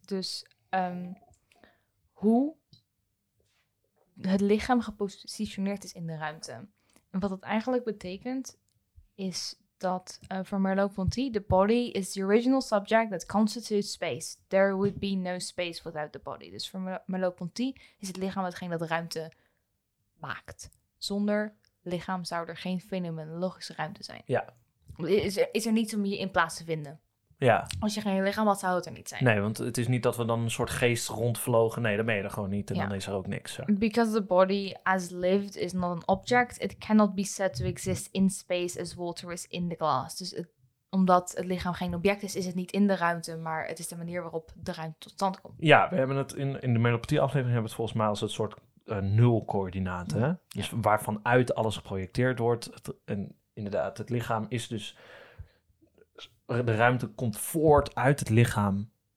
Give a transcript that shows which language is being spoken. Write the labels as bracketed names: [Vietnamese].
[Dutch] Dus hoe het lichaam gepositioneerd is in de ruimte. En wat dat eigenlijk betekent, is dat van Merleau-Ponty, [English] the body is the original subject that constitutes space. There would be no space without the body. [Dutch] Dus voor Merleau-Ponty is het lichaam hetgeen dat ruimte maakt. Zonder lichaam zou er geen fenomenologische ruimte zijn. Ja. Is er niets om je in plaats te vinden? Ja. Als je geen lichaam had, zou het er niet zijn. Nee, want het is niet dat we dan een soort geest rondvlogen. Nee, dan ben je er gewoon niet en dan is er ook niks. Zo. [English] Because the body as lived is not an object, it cannot be said to exist in space as water is in the glass. [Dutch] Dus omdat het lichaam geen object is, is het niet in de ruimte, maar het is de manier waarop de ruimte tot stand komt. Ja, we hebben het in de Merleau-Ponty aflevering hebben we het volgens mij als het soort nulcoördinaten. Ja. Dus waarvan uit alles geprojecteerd wordt. En inderdaad, het lichaam is dus, de ruimte komt voort uit het lichaam.